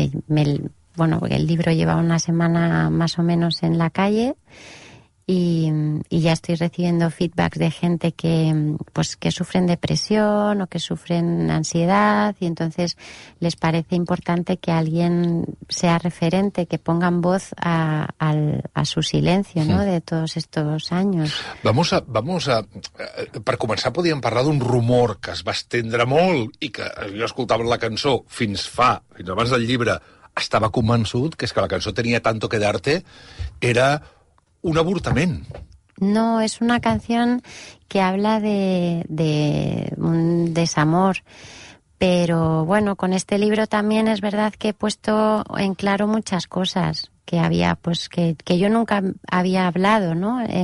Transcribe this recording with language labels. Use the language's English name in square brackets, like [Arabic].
[Spanish] el libro lleva una semana más o menos en la calle y ya estoy recibiendo feedbacks de gente que sufren depresión o que sufren ansiedad, y entonces les parece importante que alguien sea referente, que pongan voz a su silencio, ¿no? De todos estos años. Vamos a [Catalan] per començar podíem parlar d'un rumor que es va estendre molt i que jo escoltava la cançó fins abans del llibre estava convençut, que és que la cançó Tenia tanto que darte era un avortament. [Spanish] No, es una canción que habla de un desamor. Pero bueno, con este libro también es verdad que he puesto en claro muchas cosas que había, pues que yo nunca había hablado, ¿no?